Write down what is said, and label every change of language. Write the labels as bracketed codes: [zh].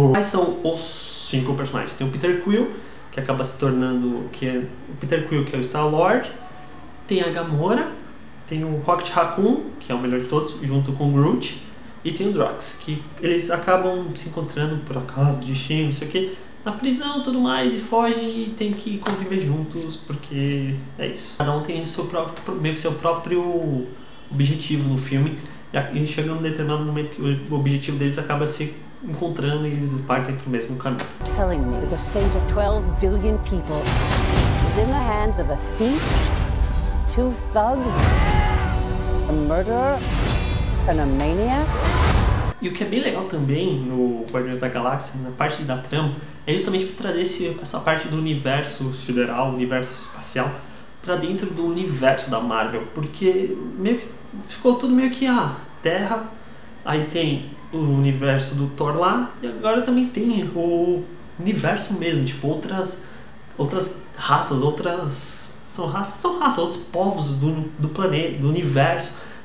[pt] Quais são os cinco personagens? Tem o Peter Quill, que acaba se tornando, que é o Peter Quill, que é o Star-Lord, tem a Gamora, tem o Rocket Raccoon, que é o melhor de todos, junto com o Groot, e tem o Drax, que eles acabam se encontrando por acaso, destino, isso aqui, na prisão e tudo mais, e fogem e tem que conviver juntos, porque é isso. Cada um tem seu próprio, meio que seu próprio objetivo no filme, e chega um determinado momento que o objetivo deles acaba se encontrando e eles partem para o mesmo caminho. [en] Telling me that the fate of 12 billion people is in the hands of a thief, two thugs, a murderer, and a maniac. [pt] E o que é bem legal também no Guardiões da Galáxia, na parte da trama, é justamente por trazer essa parte do universo sideral, universo espacial, pra dentro do universo da Marvel. Porque meio que ficou tudo meio que Terra, aí tem o universo do Thor lá, e agora também tem o universo mesmo, tipo outras raças, outros povos do planeta, do universo.